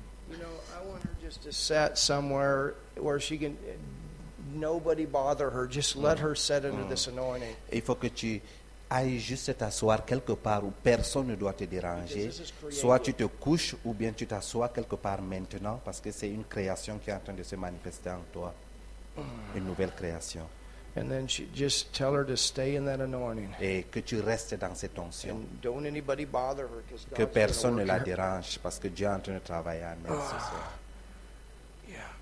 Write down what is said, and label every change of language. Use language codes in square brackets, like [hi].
[en] You know, I want her just to sit somewhere where she can, nobody bother her. Just let her sit under this anointing. [fr] Il faut que tu ailles juste t'asseoir quelque part où personne ne doit te déranger. Soit tu te couches ou bien tu t'assois quelque part maintenant parce que c'est une création qui est en train de se manifester en toi. Une nouvelle création. [en] And then she, just tell her to stay in that anointing. [fr] Et que tu restes dans cette onction. [en] And don't anybody bother her, because God's [fr] que personne ne la dérange parce que Dieu est en train de travailler en elle.